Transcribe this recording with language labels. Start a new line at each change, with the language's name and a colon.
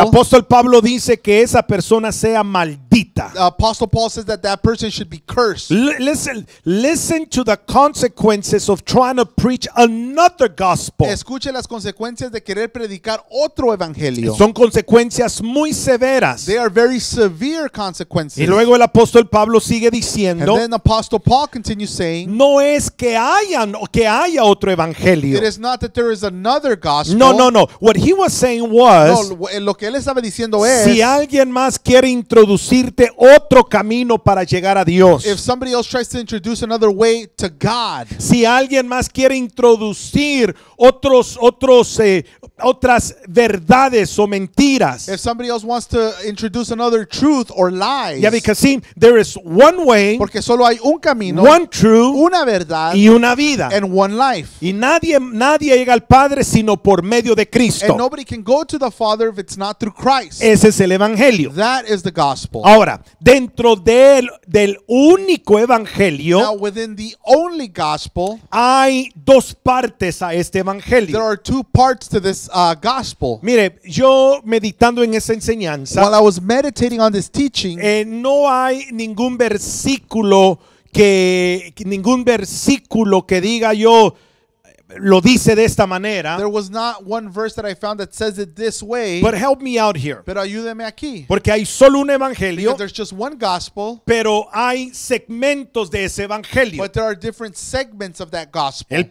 Spanish: el apóstol Pablo dice que esa persona sea maldita.
English: The apostle Paul says that that person should be cursed. Listen to the consequences of trying to preach another gospel.
Spanish: Escuche las consecuencias de querer predicar otro evangelio. Son consecuencias muy severas.
English: They are very severe consequences.
Spanish: Y luego el apóstol Pablo sigue diciendo,
English: and then apostle Paul continues saying,
Spanish: no es que hayan o que haya otro evangelio.
English: It is not that there is another gospel. No. What he was saying was,
Spanish: no, lo que él estaba diciendo es, si alguien más quiere introducirte otro camino para llegar a Dios,
English: if somebody else tries to introduce another way to God,
Spanish: si alguien más quiere introducir otras verdades o mentiras,
English: if somebody else wants to introduce another truth or lies, yeah, because see, there is one way,
Spanish: porque solo hay un camino,
English: one truth,
Spanish: una verdad, y una vida,
English: and one life,
Spanish: y nadie llega al Padre sino por medio de Cristo.
English: And nobody can go to the Father if it's not through Christ.
Spanish: Ese es el evangelio.
English: That is the gospel.
Spanish: Ahora, dentro del único evangelio,
English: now within the only gospel,
Spanish: hay dos partes a este evangelio.
English: There are two parts to this gospel.
Spanish: Mire, yo meditando en esa enseñanza,
English: while I was meditating on this teaching,
Spanish: no hay ningún versículo que diga yo lo dice de esta manera.
English: There was not one verse that I found that says it this way. But help me out here.
Spanish: Pero ayúdeme aquí. Porque hay solo un evangelio.
English: There's just one gospel.
Spanish: Pero hay segmentos de ese evangelio.
English: But there are different segments of that gospel.